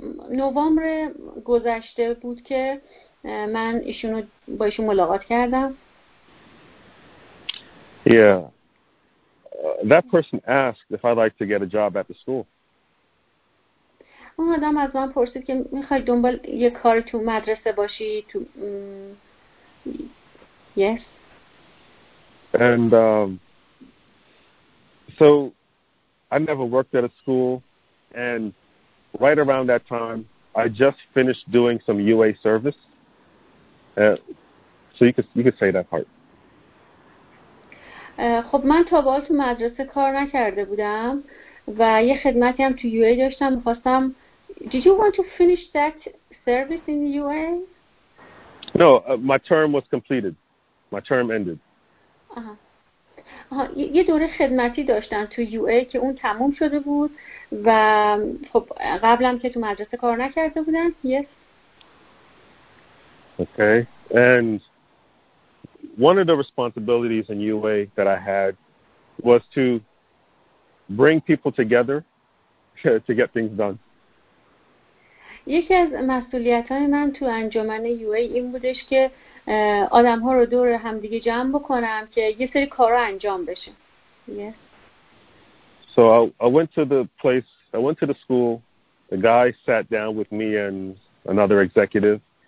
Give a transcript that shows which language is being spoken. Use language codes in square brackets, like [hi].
[fa] نوامبر گذشته بود که من ایشونو با ایشون ملاقات کردم. [en] Yeah. That person asked if I'd like to get a job at the school. [fa] اون آدم از من پرسید که میخوای دنبال یه کار تو مدرسه باشی تو [en] yes and so I never worked at a school and right around that time I just finished doing some UA service so you could say that part. [fa] خب من تا به حال تو مدرسه کار نکرده بودم و یه خدمتی هم تو UA داشتم. می‌خواستم [en] Did you want to finish that service in the UA? No, my term was completed. My term ended. [fa] آها. یه دوره خدمتی داشتن تو UA که اون تموم شده بود و خب قبلم که تو مدرسه کار نکرده بودن. [en] Yes. Okay. And one of the responsibilities in UA that I had was to bring people together to get things done. [fa] یکی از مسئولیت‌های من تو انجمن یو ای این بودش که آدم‌ها رو دور هم دیگه جمع بکنم که یه سری کارا انجام بشه. [en] Yes. So I went to the place, I went to the school. The guy sat down with me and another executive.